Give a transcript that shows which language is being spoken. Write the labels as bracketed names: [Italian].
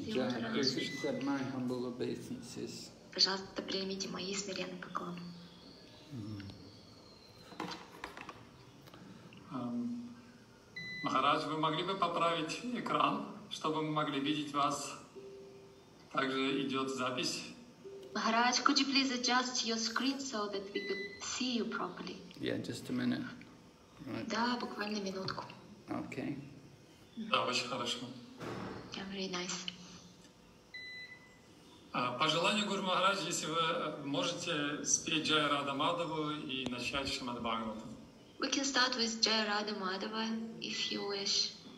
[English] Please accept my humble obeisances. [Russian] Пожалуйста, примите мои смиренные поклоны. Махарадж, вы могли бы поправить экран, чтобы мы могли видеть вас? Также идет запись. [English] Махарадж, could you please adjust your screen so that we could see you properly? Yeah, just a minute. Right. [Russian] Да, буквально минутку. [English] Okay. [Russian] Да, очень хорошо. [English] Yeah, very nice. [Russian] Пожелание Гуру Махарадж, если вы можете спеть Джай Радха Мадхава и начать Шримад Бхагаватам. [English] We can start with Jai Radha Madhava, if you wish.